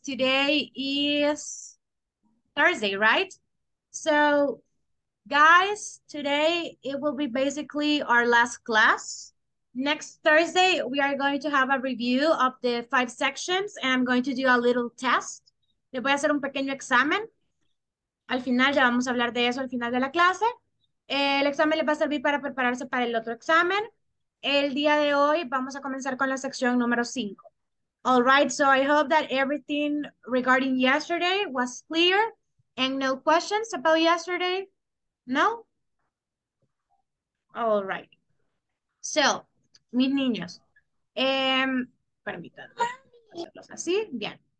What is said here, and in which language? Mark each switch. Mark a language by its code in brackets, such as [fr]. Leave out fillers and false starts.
[en] Today is Thursday, right? So, guys, today it will be basically our last class. Next Thursday, we are going to have a review of the five sections, and I'm going to do a little test. [es] Le voy a hacer un pequeño examen. Al final, ya vamos a hablar de eso al final de la clase. El examen les va a servir para prepararse para el otro examen. El día de hoy vamos a comenzar con la sección número 5. [en] All right, so I hope that everything regarding yesterday was clear and no questions about yesterday. [es] No? [en] All right. So, [es] mis niños, permítanme hacerlos así. Bien.